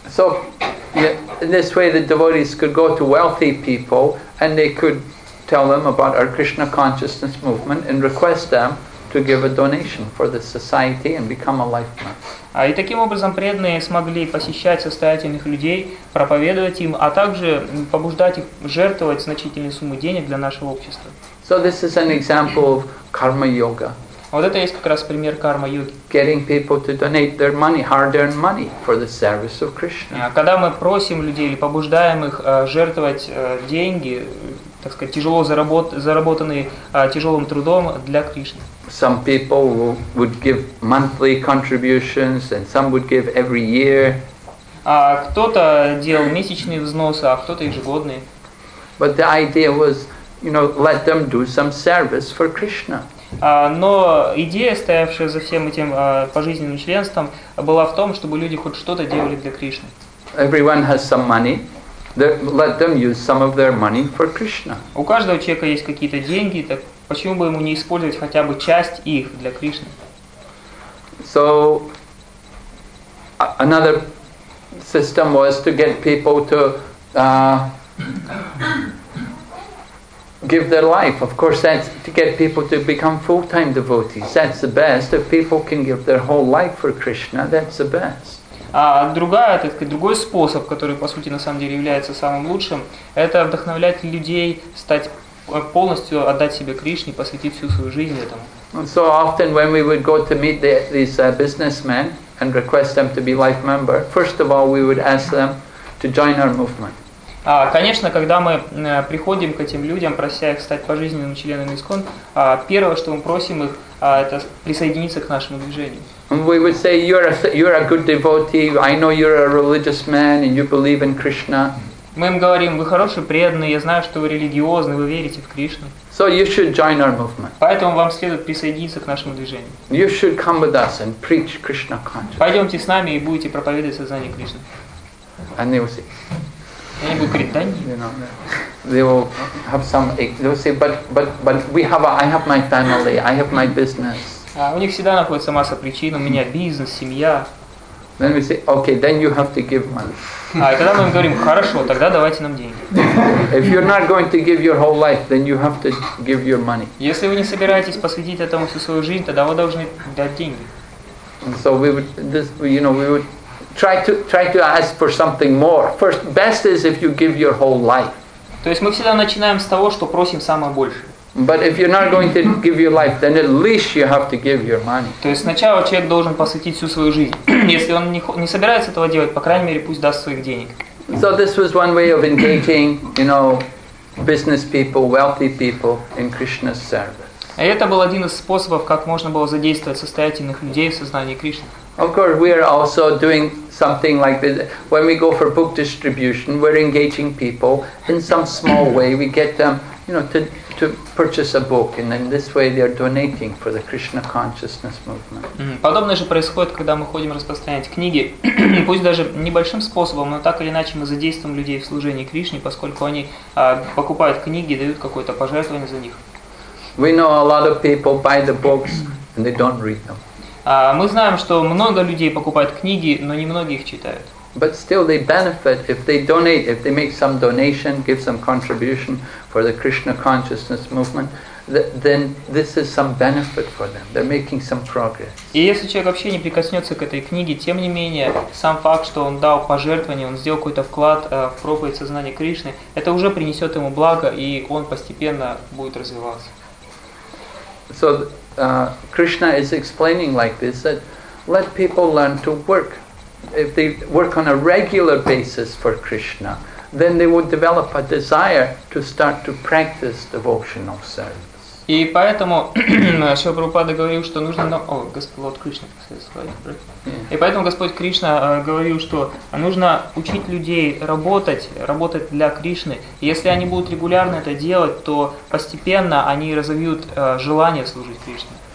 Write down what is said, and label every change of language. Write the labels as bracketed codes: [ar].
[en] So, in this way, the devotees could go to wealthy people and they could tell them about our Krishna consciousness movement and request them to give a donation for the society and become a life member. [ru] И таким образом преданные смогли посещать состоятельных людей, проповедовать им, а также побуждать их жертвовать значительные суммы денег для нашего общества. [en] So this is an example of karma yoga. [ru] Вот это есть как раз пример карма йоги. [en] Getting people to donate their money, hard-earned money, for the service of Krishna. [ru] Когда мы просим людей или побуждаем их жертвовать деньги, так сказать, тяжело заработанные тяжелым трудом для Кришны. [en] Some people would give monthly contributions, and some would give every year. [ru] А кто-то делал месячные взносы, а кто-то ежегодные. [en] But the idea was, you know, let them do some service for Krishna. [ru] Но идея, стоявшая за всем этим пожизненным членством, была в том, чтобы люди хоть что-то делали для Кришны. [en] Everyone has some money. Let them use some of their money for Krishna. [ru] У каждого человека есть какие-то деньги, так почему бы ему не использовать хотя бы часть их для Кришны? [en] So another system was to get people to give their life. Of course, that's to get people to become full-time devotees. That's the best. If people can give their whole life for Krishna, that's the best. [ru] А другая, так сказать, другой способ, который, по сути, на самом деле является самым лучшим, это вдохновлять людей стать полностью отдать себе Кришне, посвятить всю свою жизнь этому. [en] So often when we would go to meet these businessmen and request them to be life member, first of all we would ask them to join our movement. [ru] Конечно, когда мы приходим к этим людям, прося их стать пожизненными членами ИСККОН, первое, что мы просим их, это присоединиться к нашему движению. [en] We would say, you're a good devotee, I know you're a religious man and you believe in Krishna. [ru] Мы им говорим, вы хороший преданный, я знаю, что вы религиозный, вы верите в Кришну. [en] So you should join our movement. [ru] Поэтому вам следует присоединиться к нашему движению. [en] You should come with us and preach Krishna consciousness. [ru] Пойдемте с нами и будете проповедовать сознание Кришны. [en] And they will say, [ru] они будут говорить, да нет. [en] They will have some, they will say, but we have a, I have my family, I have my business. [ru] У них всегда находится масса причин, у меня бизнес, семья. [en] Then we say, okay, then you have to give money. [ru] И тогда мы им говорим, хорошо, тогда давайте нам деньги. [en] If you're not going to give your whole life, then you have to give your money. [ru] Если вы не собираетесь посвятить этому всю свою жизнь, тогда вы должны дать деньги. [en] And so we would, this, you know, we would try to ask for something more. First, best is if you give your whole life. [ru] То есть мы всегда начинаем с того, что просим самое большее. [en] But if you're not going to give your life, then at least you have to give your money. [ru] То есть сначала человек должен посвятить всю свою жизнь. Если он не собирается этого делать, по крайней мере, пусть даст своих денег. [en] So this was one way of engaging, you know, business people, wealthy people in Krishna's service. [ru] И это был один из способов, как можно было задействовать состоятельных людей в сознании Кришны. [en] Of course, we are also doing something like this. When we go for book distribution, we're engaging people in some small way. We get them, you know, to purchase a book, and in this way they are donating for the Krishna consciousness movement. [ru] Подобное же происходит, когда мы ходим распространять книги, пусть даже небольшим способом, но так или иначе мы задействуем людей в служении Кришне, поскольку они покупают книги, дают какое-то пожертвование за них. [en] We know a lot of people buy the books and they don't read them. [ru] Мы знаем, что много людей покупают книги, но немногие их читают. [en] But still they benefit if they donate, if they make some donation, give some contribution for the Krishna consciousness movement, then this is some benefit for them. They're making some progress. [ru] И если человек вообще не прикоснется к этой книге, тем не менее, сам факт, что он дал пожертвование, он сделал какой-то вклад в проповедь сознания Кришны, это уже принесет ему благо, и он постепенно будет развиваться. [en] So Krishna is explaining like this, that let people learn to work. If they work on a regular basis for Krishna, then they would develop a desire to start to practice devotional service. [ru] И поэтому Шрила Прабхупада говорил, что нужно нам... О, Господь Лорд Кришна, и поэтому Господь Кришна говорил, что нужно учить людей работать для Кришны. Если они будут регулярно это делать, то постепенно они разовьют желание служить Кришне.